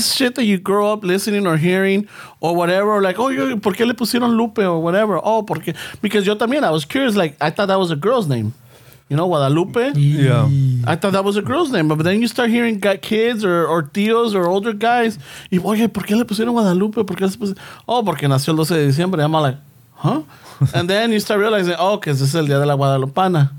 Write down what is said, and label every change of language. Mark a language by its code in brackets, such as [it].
[en] This is shit that you grow up listening or hearing or whatever. Like, oh, [es] ¿por qué le pusieron Lupe [en] or whatever? Oh, [es] porque, [en] because [es] yo también, [en] I was curious. Like, I thought that was a girl's name. You know, Guadalupe? Yeah. I thought that was a girl's name. But then you start hearing kids or tíos or older guys. [es] Y, oye, ¿por qué le pusieron Guadalupe? ¿Por qué le pusieron? Oh, porque nació el 12 de diciembre. [en] I'm like, huh? And then you start realizing, oh, [es] que es el día de la Guadalupana.